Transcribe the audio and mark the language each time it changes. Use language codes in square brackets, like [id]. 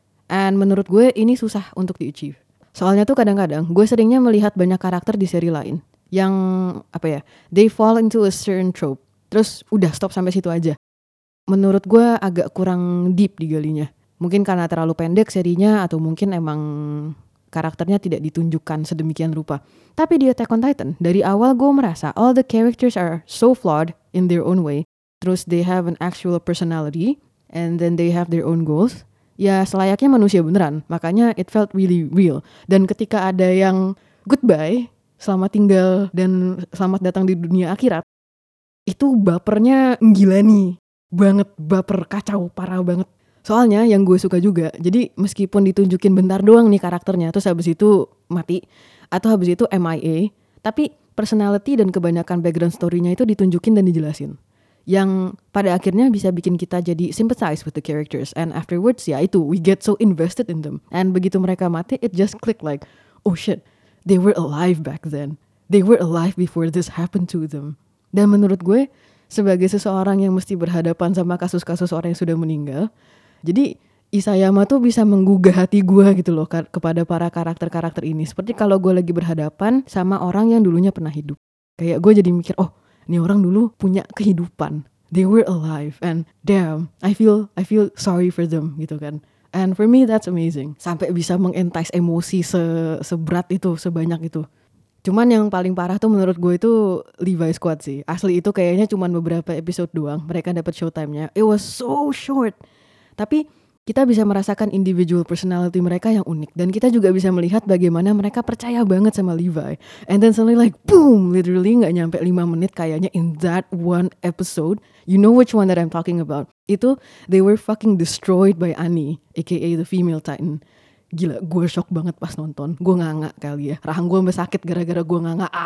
[id] And menurut gue ini susah untuk di-achieve. Soalnya tuh kadang-kadang gue seringnya melihat banyak karakter di seri lain yang apa ya, [en] they fall into a certain trope. [id] Terus udah [en] stop [id] sampai situ aja. Menurut gue agak kurang deep digalinya. Mungkin karena terlalu pendek serinya atau mungkin emang karakternya tidak ditunjukkan sedemikian rupa. Tapi di Attack on Titan, dari awal gue merasa [en] all the characters are so flawed in their own way. [id] Terus [en] they have an actual personality and then they have their own goals. [id] Ya selayaknya manusia beneran, makanya [en] it felt really real. [id] Dan ketika ada yang goodbye, selamat tinggal dan selamat datang di dunia akhirat, itu bapernya nggilani banget, baper kacau parah banget. Soalnya yang gue suka juga, jadi meskipun ditunjukin bentar doang nih karakternya, terus habis itu mati, atau habis itu MIA, tapi personality dan kebanyakan background story-nya itu ditunjukin dan dijelasin. Yang pada akhirnya bisa bikin kita jadi [en] sympathize with the characters. And afterwards, [id] ya itu, [en] we get so invested in them. And [id] begitu mereka mati, [en] it just click like, oh shit, they were alive back then. They were alive before this happened to them. [id] Dan menurut gue, sebagai seseorang yang mesti berhadapan sama kasus-kasus orang yang sudah meninggal, jadi Isayama tuh bisa menggugah hati gue gitu loh kepada para karakter-karakter ini. Seperti kalau gue lagi berhadapan sama orang yang dulunya pernah hidup. Kayak gue jadi mikir, oh, ini orang dulu punya kehidupan. [en] They were alive and damn, I feel sorry for them [id] gitu kan. [en] And for me that's amazing. [id] Sampai bisa mengentice emosi seberat itu, sebanyak itu. Cuman yang paling parah tuh menurut gue itu Levi Squad sih. Asli itu kayaknya cuman beberapa episode doang mereka dapat showtime-nya. [en] It was so short. [id] Tapi kita bisa merasakan individual personality mereka yang unik. Dan kita juga bisa melihat bagaimana mereka percaya banget sama Levi. [en] And then suddenly like boom, literally [id] gak nyampe 5 menit kayaknya [en] in that one episode. You know which one that I'm talking about. [id] Itu [en] they were fucking destroyed by Annie, aka the female titan. [id] Gila, gue shock banget pas nonton. Gue nganga kali ya. Rahang gue sampai sakit gara-gara gue nganga.